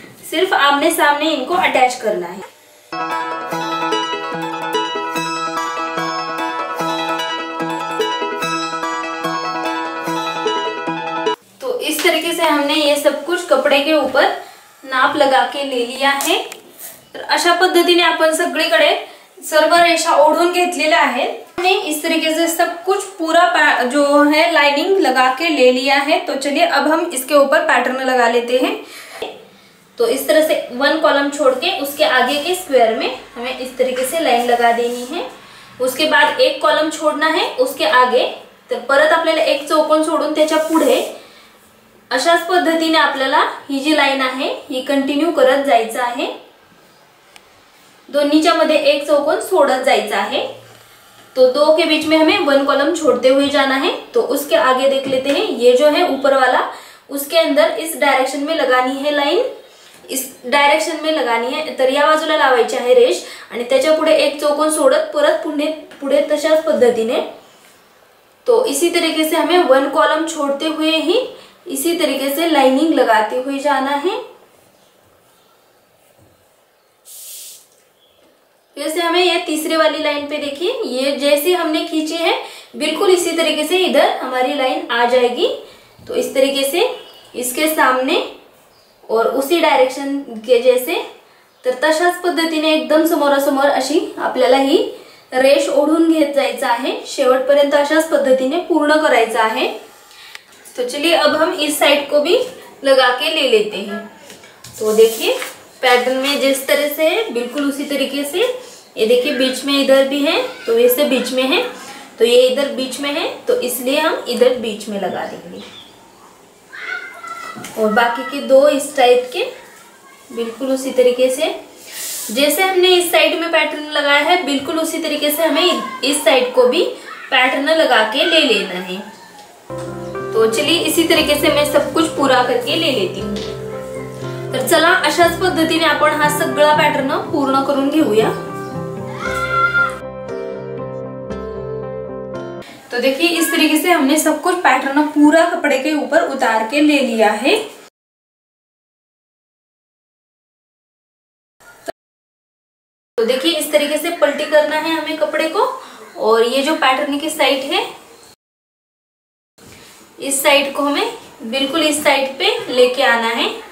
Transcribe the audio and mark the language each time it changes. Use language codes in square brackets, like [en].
[hi] सिर्फ आमने सामने इनको अटैच करना है। तो इस तरीके से हमने ये सब कुछ कपड़े के ऊपर नाप लगा के ले लिया है। [mr] अशा पद्धति ने अपन सगळीकडे सर्व रेषा ओढून घेतलेल्या आहेत। [hi] इस तरीके से सब कुछ पूरा जो है लाइनिंग लगा के ले लिया है। तो चलिए, अब हम इसके ऊपर पैटर्न लगा लेते हैं। तो इस तरह से 1 कॉलम छोड़ के उसके आगे के स्क्वायर में हमें इस तरीके से लाइन लगा देनी है। उसके बाद एक कॉलम छोड़ना है उसके आगे, [mr] तर परत आपल्याला एक चौकोन सोडून त्याच्या पुढे अशाच पद्धतीने आपल्याला ही जी लाइन आहे ही कंटिन्यू करत जायचं आहे, दोन्हीच्या मध्ये एक चौकोन सोडत जायचं आहे। [hi] तो दो के बीच में हमें वन कॉलम छोड़ते हुए जाना है। तो उसके आगे देख लेते हैं, ये जो है ऊपर वाला उसके अंदर इस डायरेक्शन में लगानी है लाइन, इस डायरेक्शन में लगानी है, [mr] तरिया बाजूला लावायची आहे रेष आणि त्याच्यापुढे एक चौकोन सोडत परत पुढे पुढे तशाच पद्धतीने। [hi] तो इसी तरीके से हमें वन कॉलम छोड़ते हुए ही इसी तरीके से लाइनिंग लगाते हुए जाना है। जैसे हमें ये तीसरे वाली लाइन पे देखिए, ये जैसे हमने खींचे हैं बिल्कुल इसी तरीके से इधर हमारी लाइन आ जाएगी। तो इस तरीके से इसके सामने और उसी डायरेक्शन के जैसे, [mr] तर तशाच पद्धतीने एकदम समोरासमोर अशी आपल्याला ही रेष ओढून घेत जायचं आहे, शेवटपर्यंत अशाच पद्धतीने पूर्ण करायचं आहे। [hi] तो चलिए अब हम इस साइड को भी लगा के ले लेते हैं। तो देखिए पैटर्न में जिस तरह से है बिल्कुल उसी तरीके से, ये देखिए बीच में इधर भी है तो ऐसे बीच में है, तो ये इधर बीच में है तो इसलिए हम इधर बीच में लगा देंगे, और बाकी के दो इस टाइप के बिल्कुल उसी तरीके से जैसे हमने इस साइड में पैटर्न लगाया है बिल्कुल उसी तरीके से हमें इस साइड को भी पैटर्न लगा के ले लेना है। तो चलिए इसी तरीके से मैं सब कुछ पूरा करके ले लेती हूँ। [mr] तर चला अशाच पद्धतीने आपण हा सगळा पॅटर्न पूर्ण करून घेऊया। [hi] तो देखिए इस तरीके से हमने सब कुछ पॅटर्न पूरा कपड़े के ऊपर उतार के ले लिया है। तो देखिए इस तरीके से पलटी करना है हमें कपड़े को, और ये जो पैटर्न की साइड है इस साइड को हमें बिल्कुल इस साइड पे लेके आना है।